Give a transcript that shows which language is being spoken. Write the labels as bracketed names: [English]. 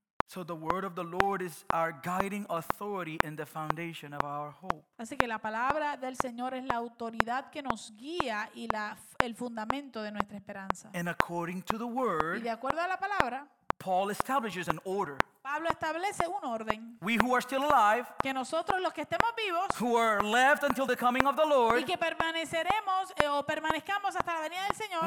[English] So the word of the Lord is our guiding authority and the foundation of our hope. [Spanish] Así que la palabra del Señor es la autoridad que nos guía y la el fundamento de nuestra esperanza. [English] And according to the word, [Spanish] y de acuerdo a la palabra, [English] Paul establishes an order. [Spanish] Pablo establece un orden. [English] We who are still alive, [Spanish] que nosotros los que estemos vivos, [English] who are left until the coming of the Lord, [Spanish] y que permaneceremos o permanezcamos hasta la venida del Señor,